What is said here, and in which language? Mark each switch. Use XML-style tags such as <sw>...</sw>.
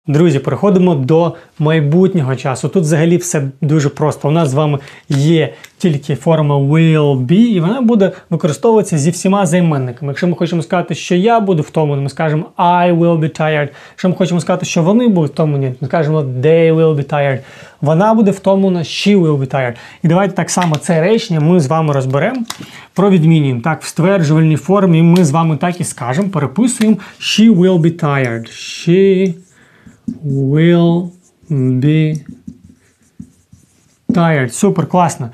<uk>Друзі, переходимо до майбутнього часу. Тут взагалі все дуже просто. У нас з вами є тільки форма will be, і вона буде використовуватися зі всіма займенниками. Якщо ми хочемо сказати, що я буду втомлений, ми скажемо</uk> <en>I will be tired.</en> <uk>Якщо ми хочемо сказати, що вони будуть втомлені, ми скажемо</uk> <en>they will be tired.</en> <uk>Вона буде втомлена,</uk> <en>she will be tired.</en> <uk>І давайте так само це речення ми з вами розберемо про відмінні. Так, в стверджувальній формі ми з вами так і скажемо, переписуємо</uk> <en>she will be tired. She will be tired.</en> <uk>Супер, класно.</uk>